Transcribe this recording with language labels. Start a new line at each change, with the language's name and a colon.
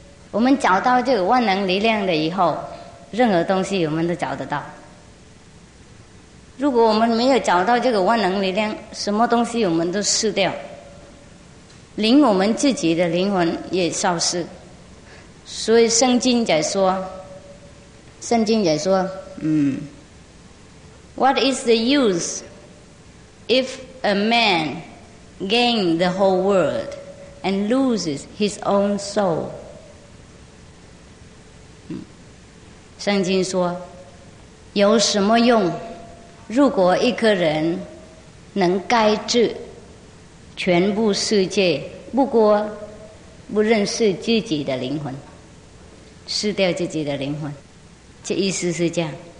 Chinese: 我们找到这个万能力量的以后，任何东西我们都找得到。如果我们没有找到这个万能力量，什么东西我们都失掉，连我们自己的灵魂也消失。所以圣经在说，圣经在说，
English: What is the use if a man gain the whole world and loses his own soul?
Chinese: 圣经说，有什么用，如果一个人能盖住全部世界，不过不认识自己的灵魂，失掉自己的灵魂，这意思是这样。